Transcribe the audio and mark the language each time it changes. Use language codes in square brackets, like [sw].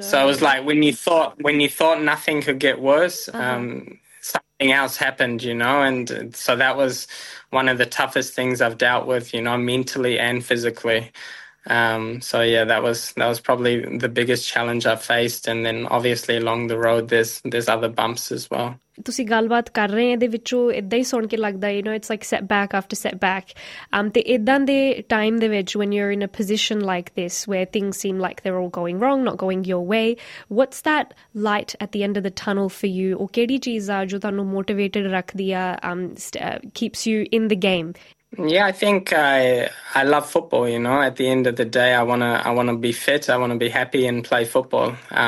[en] So it was like when you thought nothing could get worse, something else happened, you know. And so that was one of the toughest things I've dealt with, you know, mentally and physically. So yeah, that was probably the biggest challenge I've faced. And then obviously along the road, there's other bumps as well. [pa] ਤੁਸੀਂ ਗੱਲਬਾਤ ਕਰ ਰਹੇ ਇਹਦੇ ਵਿੱਚੋਂ ਇੱਦਾਂ ਹੀ ਸੁਣ ਕੇ ਲੱਗਦਾ, [en] you know it's like set back [pa] after set back. ਤੇ ਇੱਦਾਂ ਦੇ ਟਾਈਮ ਦੇ ਵਿੱਚ [en] When you are in a position like this where things seem like they are all going wrong, not going your way, what's that light at the end of the tunnel for you? [pa] ਉਹ ਕਿਹੜੀ ਚੀਜ਼ ਆ ਜੋ ਤੁਹਾਨੂੰ motivated ਰੱਖਦੀ ਆ, [en] Keeps you in the game? Yeah, I think I love football, you know. At the end of the day, I want to be fit, I want to be happy and play football.